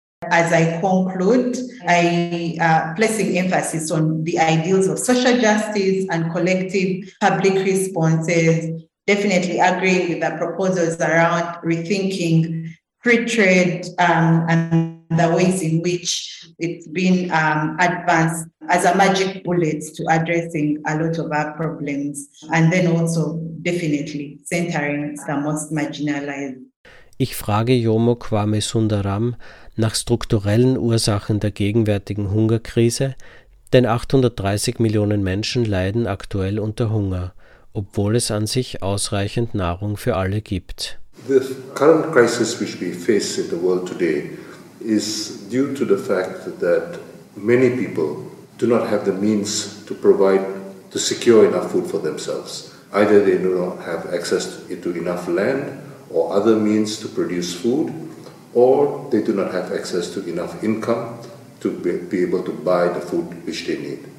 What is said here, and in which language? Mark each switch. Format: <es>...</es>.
<en>As I conclude, I placing emphasis on the ideals of social justice and collective public responses, definitely agree with the proposals around rethinking free trade and the ways in which it's been advanced as a magic bullet to addressing a lot of our problems, and then also definitely centering the most marginalized.</en> <de>Ich frage Jomo Kwame Sundaram nach strukturellen Ursachen der gegenwärtigen Hungerkrise, denn 830 Millionen Menschen leiden aktuell unter Hunger, obwohl es an sich ausreichend Nahrung für alle gibt.</de> <en>The current crisis which we face in the world today is due to the fact that many people do not have the means to provide, to secure enough food for themselves. Either they do not have access to enough land or other means to produce food, or they do not have access to enough income to be able to buy the food which they need.</en>